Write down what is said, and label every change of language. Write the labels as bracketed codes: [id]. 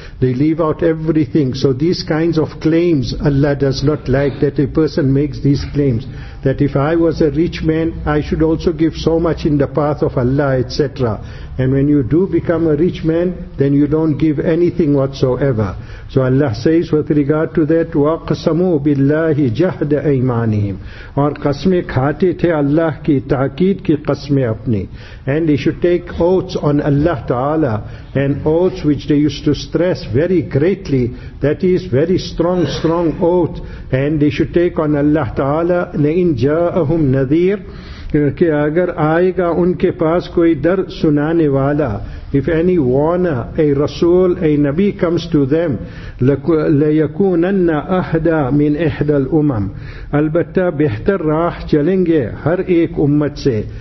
[en] They leave out everything. So these kinds of claims, Allah does not like that a person makes these claims. That if I was a rich man, I should also give so much in the path of Allah, etc. And when you do become a rich man, then you don't give anything whatsoever. So Allah says with regard to that, [ar] وَقْسَمُوا بِاللَّهِ جَهْدَ أَيْمَانِهِمْ [ur] اور قسمیں کھاتے تھے اللہ کی تاکید کی قسمیں اپنی. [en] And they should take oaths on Allah Ta'ala, and oaths which they used to stress very greatly, that is very strong oath. And they should take on Allah Ta'ala, [ar] لَإِنْ جَاءَهُمْ نَذِيرٌ, [ur] کہ اگر آئے گا ان کے پاس کوئی ڈر سنانے والا, [en] if any warner, a rasool, a nabi comes to them, [ar] لَيَكُونَنَّ أَحْدَى مِنْ اَحْدَى الْأُمَمِ, [ur] البتہ بہتر راہ چلیں گے ہر ایک امت سے.